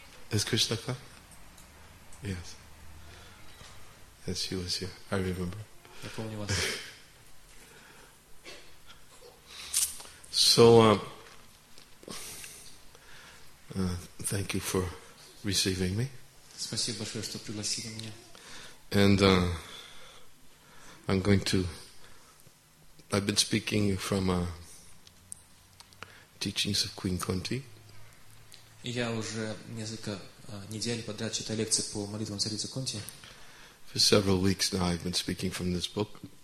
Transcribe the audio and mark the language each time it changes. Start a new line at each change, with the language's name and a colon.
English: Is Krishna Ka? Yes. And she was here. I remember. So, thank you for receiving me.
Russian: Спасибо большое, что пригласили меня.
English: And I've been speaking from teachings of Queen Kunti.
Russian: Я уже несколько недель подряд читаю лекции по молитвам царицы Кунти.
English: For several weeks now I've been speaking from this book.